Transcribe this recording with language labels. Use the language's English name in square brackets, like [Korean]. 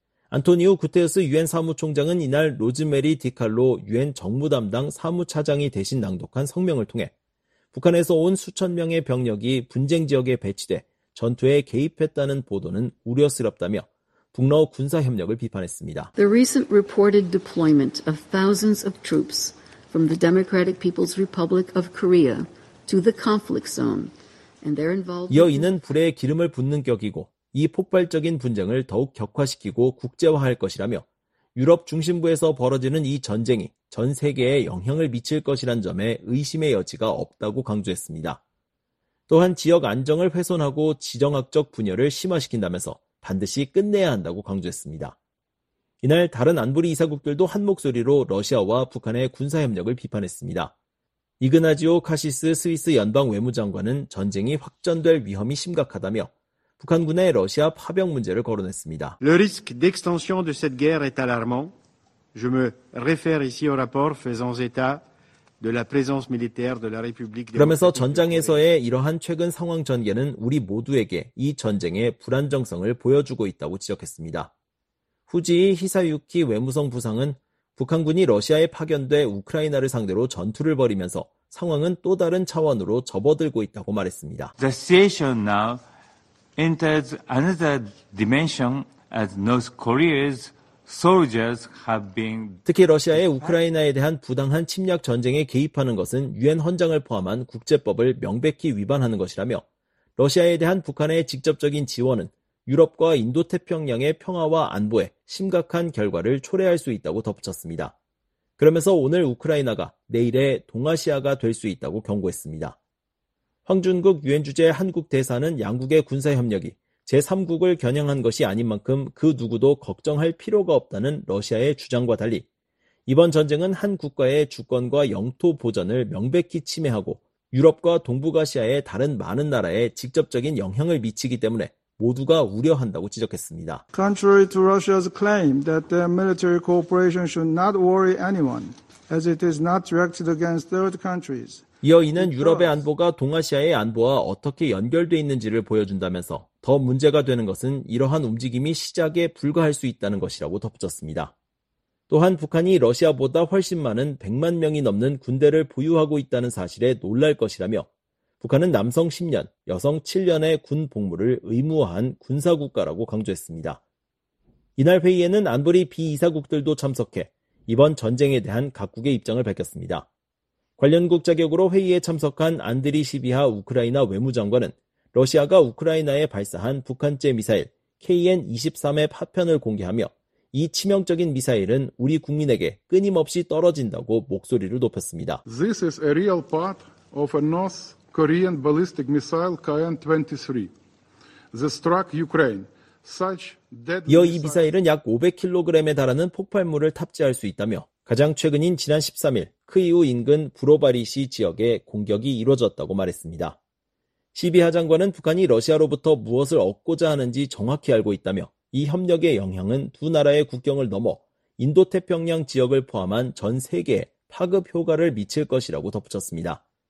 [Korean] 안토니우 구테우스 유엔 사무총장은 이날 로즈메리 디칼로 유엔 정무담당 사무차장이 대신 낭독한 성명을 통해 북한에서 온 수천 명의 병력이 분쟁 지역에 배치돼 전투에 개입했다는 보도는 우려스럽다며 북러 군사 협력을 비판했습니다. [English] The recent reported deployment of thousands of troops from the Democratic People's Republic of Korea to the conflict zone and their involvement. [Korean] 이어 이는 불에 기름을 붓는 격이고 이 폭발적인 분쟁을 더욱 격화시키고 국제화할 것이라며 유럽 중심부에서 벌어지는 이 전쟁이 전 세계에 영향을 미칠 것이란 점에 의심의 여지가 없다고 강조했습니다. 또한 지역 안정을 훼손하고 지정학적 분열을 심화시킨다면서 반드시 끝내야 한다고 강조했습니다. 이날 다른 안보리 이사국들도 한 목소리로 러시아와 북한의 군사협력을 비판했습니다. 이그나지오 카시스 스위스 연방 외무장관은 전쟁이 확전될 위험이 심각하다며 북한군의 러시아 파병 문제를 거론했습니다. [French] Le risque d'extension de cette guerre est alarmant. Je me réfère ici au rapport faisant état de la présence militaire de la République. [Korean] 그러면서 전장에서의 이러한 최근 상황 전개는 우리 모두에게 이 전쟁의 불안정성을 보여주고 있다고 지적했습니다. 후지이 히사유키 외무성 부상은 북한군이 러시아에 파견돼 우크라이나를 상대로 전투를 벌이면서 상황은 또 다른 차원으로 접어들고 있다고 말했습니다. [English] The situation now enters another dimension as North Korea's Soldiers have been [Korean] 특히 러시아의 우크라이나에 대한 부당한 침략 전쟁에 개입하는 것은 유엔 헌장을 포함한 국제법을 명백히 위반하는 것이라며 러시아에 대한 북한의 직접적인 지원은 유럽과 인도태평양의 평화와 안보에 심각한 결과를 초래할 수 있다고 덧붙였습니다. 그러면서 오늘 우크라이나가 내일의 동아시아가 될 수 있다고 경고했습니다. 황준국 유엔 주재 한국 대사는 양국의 군사협력이 제3국을 겨냥한 것이 아닌 만큼 그 누구도 걱정할 필요가 없다는 러시아의 주장과 달리 이번 전쟁은 한 국가의 주권과 영토 보전을 명백히 침해하고 유럽과 동북아시아의 다른 많은 나라에 직접적인 영향을 미치기 때문에 모두가 우려한다고 지적했습니다. [English] Contrary to Russia's claim that their military cooperation should not worry anyone, as it is not directed against third countries. [Korean] 이어 이는 유럽의 안보가 동아시아의 안보와 어떻게 연결돼 있는지를 보여준다면서 더 문제가 되는 것은 이러한 움직임이 시작에 불과할 수 있다는 것이라고 덧붙였습니다. 또한 북한이 러시아보다 훨씬 많은 100만 명이 넘는 군대를 보유하고 있다는 사실에 놀랄 것이라며 북한은 남성 10년, 여성 7년의 군 복무를 의무화한 군사국가라고 강조했습니다. 이날 회의에는 안보리 비이사국들도 참석해 이번 전쟁에 대한 각국의 입장을 밝혔습니다. 관련국 자격으로 회의에 참석한 안드리 시비하 우크라이나 외무장관은 러시아가 우크라이나에 발사한 북한제 미사일 KN-23의 파편을 공개하며 이 치명적인 미사일은 우리 국민에게 끊임없이 떨어진다고 목소리를 높였습니다. [English] This is a real part of a North Korean ballistic missile KN-23 that struck Ukraine. [Korean] 이어 이 미사일은 약 500kg에 달하는 폭발물을 탑재할 수 있다며 가장 최근인 지난 13일 크이우 인근 브로바리시 지역에 공격이 이루어졌다고 말했습니다. 시비하 장관은 북한이 러시아로부터 무엇을 얻고자 하는지 정확히 알고 있다며 이 협력의 영향은 두 나라의 국경을 넘어 인도태평양 지역을 포함한 전 세계에 파급 효과를 미칠 것이라고 덧붙였습니다.